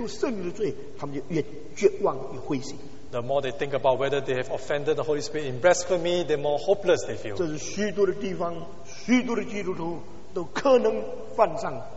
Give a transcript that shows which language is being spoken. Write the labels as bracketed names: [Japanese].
[Chinese] 他们想到是不是我可能犯了亵渎圣灵的罪，他们就越绝望越灰心。 [English] The more they think about whether they have offended the Holy Spirit in blasphemy, the more hopeless they feel. [Chinese] 这是许多的地方，许多的基督徒都可能犯上。